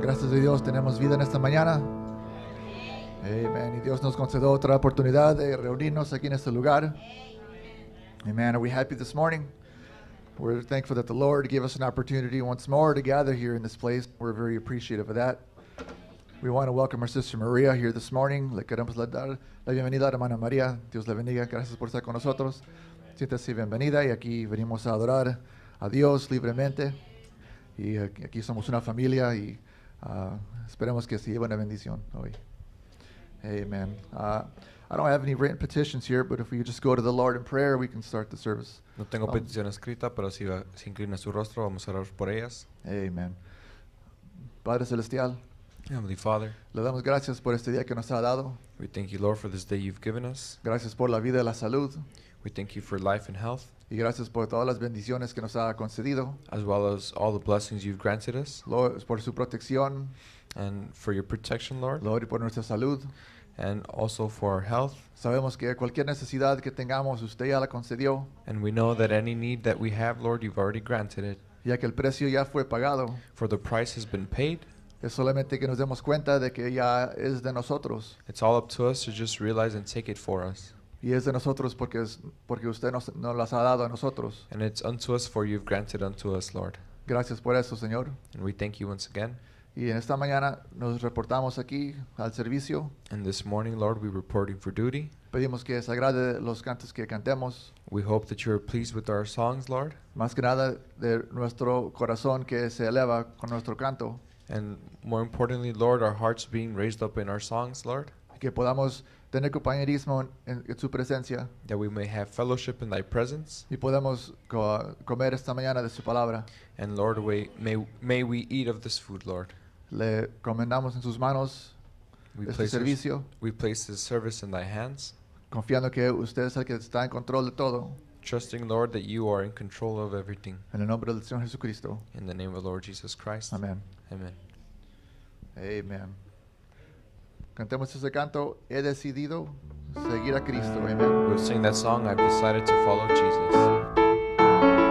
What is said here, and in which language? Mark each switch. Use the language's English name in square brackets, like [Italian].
[Spanish] Gracias a Dios tenemos vida en esta mañana. Amén. Y Dios nos concedió otra oportunidad de reunirnos aquí en este lugar. [English] Amén. Are we happy this morning? We're thankful that the Lord gave us an opportunity once more to gather here in this place. We're very appreciative of that. We want to welcome our sister Maria here this morning. [Spanish] Le queremos dar la bienvenida a hermana María. Dios le bendiga. Gracias por estar con nosotros. Siéntase bienvenida y aquí venimos a adorar a Dios libremente. Y aquí somos una familia y esperemos que se lleve una bendición hoy. Amen. [English] I don't have any written petitions here, but if we could just go to the Lord in prayer, we can start the service. [Spanish] No tengo petición escrita, pero si va, si inclina su rostro, vamos a orar por ellas. Amen. Padre Celestial. [English] Heavenly Father, [Spanish] le damos gracias por este día que nos ha dado. [English] We thank you, Lord, for this day you've given us. [Spanish] Gracias por la vida y la salud. [English] We thank you for life and health. [Spanish] Y gracias por todas las bendiciones que nos ha concedido. [English] As well as all the blessings you've granted us. [Spanish] Lord, por su protección. [English] And for your protection, Lord. [Spanish] Lord, por nuestra salud. [English] And also for our health. [Spanish] Sabemos que cualquier necesidad que tengamos, usted ya la concedió. [English] And we know that any need that we have, Lord, you've already granted it. [Spanish] Ya que el precio ya fue pagado. [English] For the price has been paid. [Spanish] Es solamente que nos demos cuenta de que ya es de nosotros. [English] It's all up to us to just realize and take it for us. [Spanish] Y es de nosotros porque es porque usted nos las ha dado a nosotros. [English] And it's unto us for you've granted unto us, Lord. [Spanish] Gracias por eso, Señor. [English] And we thank you once again. [Spanish] Y en esta mañana nos reportamos aquí al servicio. [English] And this morning, Lord, we're reporting for duty. [Spanish] Pedimos que les agrade los cantos que cantemos. [English] We hope that you're pleased with our songs, Lord. [Spanish] Más que nada de nuestro corazón que se eleva con nuestro canto. [English] And more importantly, Lord, our hearts being raised up in our songs, Lord. [Spanish] Que podamos tener compañerismo en su presencia. [English] That we may have fellowship in thy presence. [Spanish] Y podamos comer esta mañana de su palabra. [English] And Lord, may we eat of this food, Lord. [Spanish] Le encomendamos en sus manos este servicio. [English] We place this service in thy hands. [Spanish] Confiando que usted es el que está en control de todo. [English] Trusting, Lord, that you are in control of everything. [Spanish] En el nombre del Señor Jesucristo. [English] In the name of the Lord Jesus Christ. Amen. Amen. [Spanish] Amen. Cantemos ese canto, he decidido seguir a Cristo. Amen. [English] We'll sing that song, I've decided to follow Jesus.